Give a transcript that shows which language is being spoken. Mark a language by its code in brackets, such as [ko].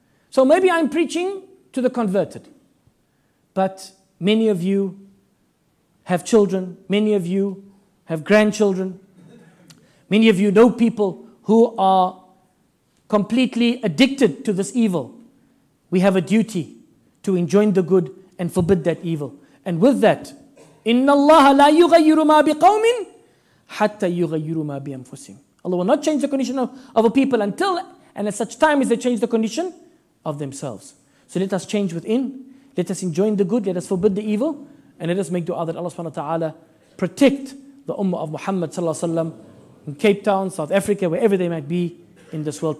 [en] So maybe I'm preaching to the converted. But many of you have children. Many of you have grandchildren. Many of you know people who are completely addicted to this evil. We have a duty to enjoin the good and forbid that evil. And with that, [ar] إِنَّ اللَّهَ لَا يُغَيِّرُ مَا بِقَوْمٍ حَتَّى يُغَيِّرُ مَا بِأَنفُسِهِمْ. [en] Allah will not change the condition of a people until and at such time as they change the condition of themselves. So let us change within. Let us enjoin the good. Let us forbid the evil. And let us make dua that Allah subhanahu wa ta'ala protect the ummah of Muhammad sallallahu alaihi wasallam in Cape Town, South Africa, wherever they might be in this world.